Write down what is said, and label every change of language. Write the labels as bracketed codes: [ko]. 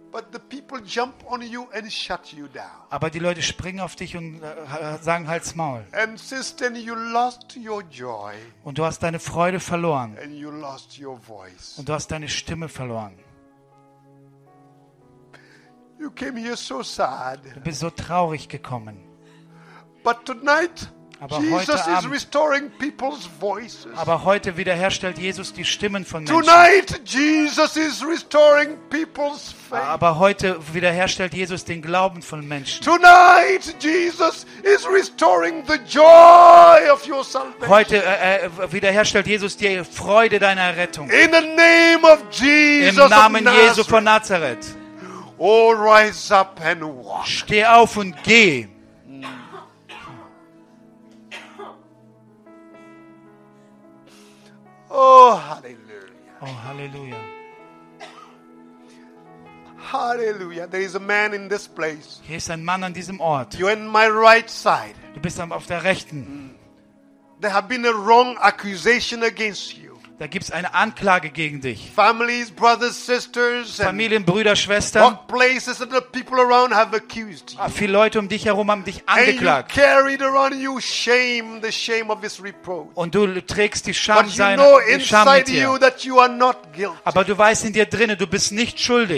[en] But the people jump on you and shut you down. [de] Aber die Leute springen auf dich und sagen halt's Maul. [en] And since then you lost your joy. [de] Und du hast deine Freude verloren. [en] And you lost your voice. [de] Und du hast deine Stimme verloren. [en] You came here so sad. [de] Du bist so traurig gekommen. [en] But tonight. [de] Aber Jesus [en] is restoring people's voices. [de] Aber heute wiederherstellt Jesus die Stimmen von Menschen. [en] Tonight Jesus is restoring people's faith. [de] Aber heute wiederherstellt Jesus den Glauben von Menschen. [en] Tonight Jesus is restoring the joy of your salvation. [de] Heute wiederherstellt Jesus die Freude deiner Rettung. [en] In the name of Jesus. [de] Im Namen Jesu von Nazareth. [en] Oh, rise up and walk. [de] Steh auf und geh. [en] Oh, hallelujah. [de] Oh, hallelujah. [en] Hallelujah. There is a man in this place. [de] Hier ist ein Mann an diesem Ort. [en] You're on my right side. [de] Du bist auf der rechten. [en] There have been a wrong accusation against you. [de] Da gibt's eine Anklage gegen dich. [en] Families, brothers, sisters, [de] Familien, Brüder, Schwestern. [en] Workplaces and the people around have accused you. [de] Viele Leute um dich herum haben dich angeklagt. [en] And you carried around you shame, the shame of his reproach. [de] Und du trägst die Scham seiner, [en] you know, [de] die Scham mit dir. [en] You that you are not guilty. [de] Aber du weißt in dir drinnen, du bist nicht schuldig.